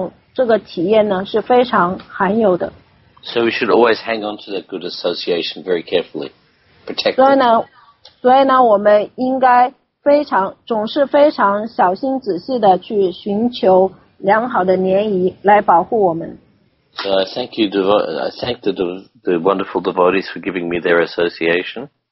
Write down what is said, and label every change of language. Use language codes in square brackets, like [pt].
[zh] 而这个幸运的这种体验呢是非常罕有的。 [en] So we should always hang on to that good association very carefully, protect it. [zh] 所以呢，我们应该非常小心仔细的去寻求良好的联谊来保护我们。 [en] So I thank you, I thank the wonderful devotees for giving me their association.